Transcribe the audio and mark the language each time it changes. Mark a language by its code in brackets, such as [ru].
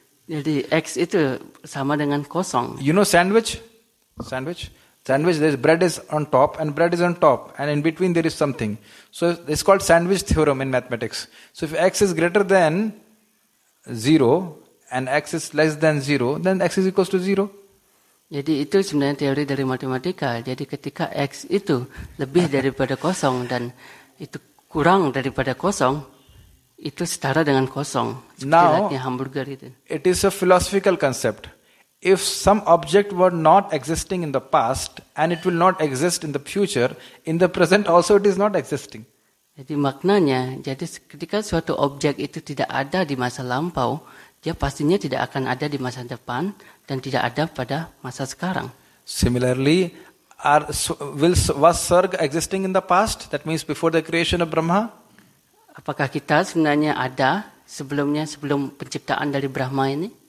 [id] Jadi x itu sama dengan kosong. [en] You know sandwich? Sandwich, there is bread is on top and bread is on top and in between there is something. So it's called sandwich theorem in mathematics. So if x is greater than 0 and x is less than 0, then x is equals to 0. [id] Jadi itu sebenarnya teori dari matematika. Jadi ketika x itu lebih daripada kosong dan itu kurang daripada kosong, itu setara dengan kosong. [en] Now, [id] hamburger itu. [en] It is a philosophical concept. If some object were not existing in the past and it will not exist in the future, in the present also it is not existing. [id] Jadi maknanya, jadi ketika suatu objek itu tidak ada di masa lampau, dia pastinya tidak akan ada di masa depan dan tidak ada pada masa sekarang. [en] Similarly, was Sarga existing in the past? That means before the creation of Brahma? [id] Apakah kita sebenarnya ada sebelumnya, sebelum penciptaan dari Brahma ini?